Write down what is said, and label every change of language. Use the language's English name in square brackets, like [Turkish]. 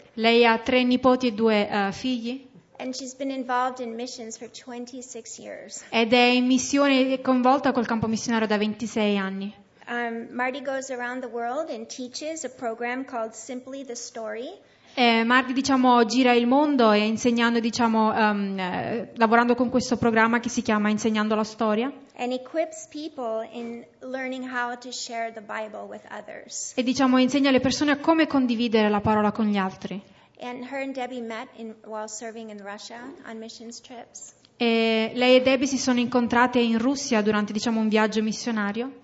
[Italian] Lei ha tre nipoti e due figli. [English] And she's been involved in missions for 26 years. [Italian] Ed è in missione, è coinvolta col campo missionario da 26 anni. [English] Mardi goes around the world and teaches a program called Simply the Story. [Italian] Mardi, diciamo, gira il mondo e insegnando, diciamo, lavorando con questo programma che si chiama Insegnando la Storia. [English] And equips people in learning how to share the Bible with others. [Italian] E, diciamo, insegna le persone a come condividere la parola con gli altri. [English] And her and Debbie met in, while serving in Russia on missions trips. [Italian] E lei e Debbie si sono incontrate in Russia durante, diciamo, un viaggio missionario.